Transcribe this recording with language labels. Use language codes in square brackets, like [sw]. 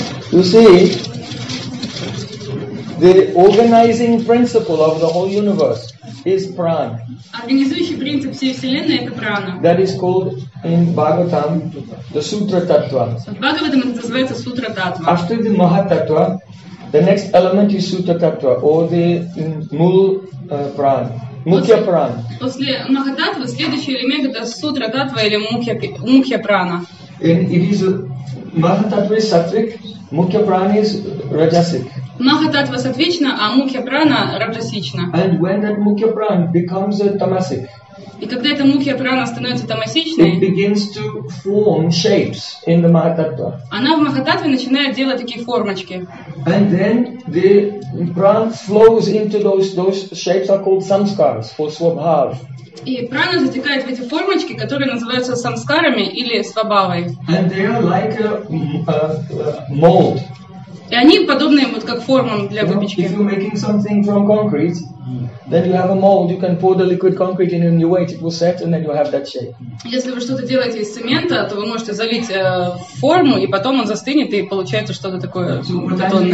[en] You see, the organizing principle of the whole universe is prana. [ru] Организующий принцип всей вселенной это прана. [en] That is called in Bhagavatam the sutra tattva. [ru] В Бхагаватам это называется сутра таттва. [en] After the maha tattva, the next element is sutra tattva or the mul prana. Mukhya prana. [ru] После maha tattva следующий элемент это сутра таттва или мукхья прана. [en] It is maha tattva is sattvic, mukhya prana is rajasic. [ru] Maha tattva сатвична, а мукхья прана раджасична. [en] And when that mukhya prana becomes a tamasic. [ru] И когда эта мукхья прана становится тамасичной, [en] it begins to form shapes in the maha tattva. [ru] Она в маха таттве начинает делать такие формочки. [en] And then the prana flows into those shapes are called samskaras or swabhav. [ru] И прана затекает в эти формочки, которые называются самскарами или свабавой. [en] And they are like a mold. [ru] И они подобные вот как формам для выпечки. [en] If you're making something from concrete, then you have a mold. You can pour the liquid concrete in and you wait, it will set, and then you have that shape. [ru] Если вы что-то делаете из цемента, то вы можете залить форму, и потом он застынет, и получается что-то такое бетонное.